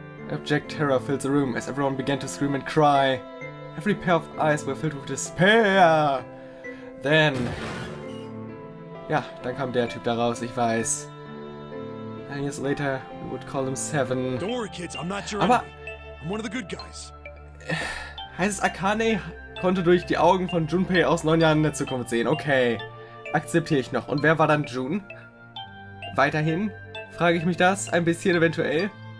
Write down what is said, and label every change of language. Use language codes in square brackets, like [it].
[en] Abject terror filled the room as everyone began to scream and cry. Every pair of eyes were filled with despair. Then... [de] Ja, dann kam der Typ da raus, ich weiß. [en] And years later, we would call him Seven. Don't worry, kids, I'm not your enemy. I'm one of the good guys. [de] Heißt es, Akane konnte durch die Augen von Junpei aus 9 Jahren in der Zukunft sehen. Okay, akzeptiere ich noch. Und wer war dann Jun? Weiterhin frage ich mich das ein bisschen eventuell.